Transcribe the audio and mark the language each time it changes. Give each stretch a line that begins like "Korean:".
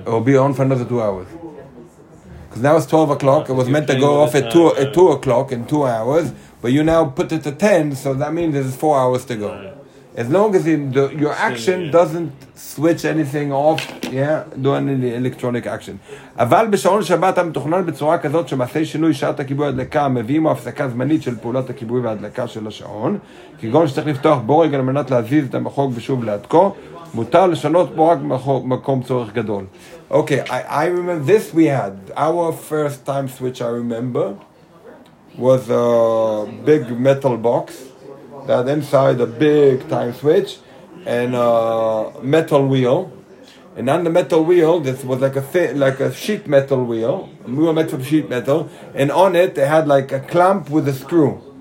English: It will be on for another 2 hours. Because now it's 12 o'clock, it was meant to go off at 2 o'clock in 2 hours, but you now put it to 10, so that means there's 4 hours to go. Right. As long as your action doesn't switch anything off, yeah, doing any electronic action.
Hebrew: אבל בשעון שבת המתוכנן בצורה כזאת שמעשי שינוי שעת הכיבוי הדלקה מביאים הפסקה זמנית של פעולת הכיבוי והדלקה של השעון כגון שצריך לפתוח בורג על מנת להזיז את המחוג ושוב להדקו מותר לשנות בו רק מקום צורך גדול.
English: Okay, I remember this we had. Our first time switch I remember was a big metal box that inside a big time switch and a metal wheel. And on the metal wheel, this was like a sheet metal wheel, a metal sheet metal, and on it, it had like a clamp with a screw.